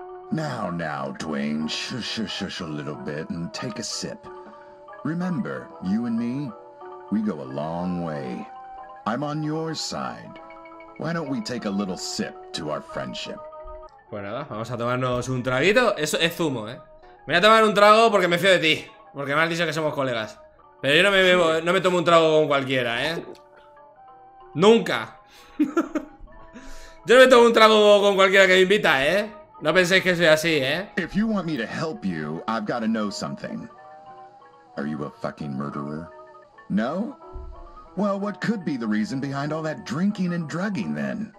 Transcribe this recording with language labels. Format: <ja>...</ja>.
<en>Now, now, Dwayne, shush, shush, shush a little bit and take a sip. Remember, you and me, we go a long way. I'm on your side. Why don't we take a little sip to our friendship?</en> <es>Pues nada, vamos a tomarnos un traguito. Eso es zumo, ¿eh? Me voy a tomar un trago porque me fío de ti. Porque me has dicho que somos colegas. Pero yo no me tomo un trago con cualquiera, ¿eh? Nunca. Yo no me tomo un trago con cualquiera que me invita, ¿eh? No penséis que soy así, ¿eh?</es> <en>If you want me to help you, I've got to know something. Are you a fucking murderer? No? Well, what could be the reason behind all that drinking and drugging then?</en>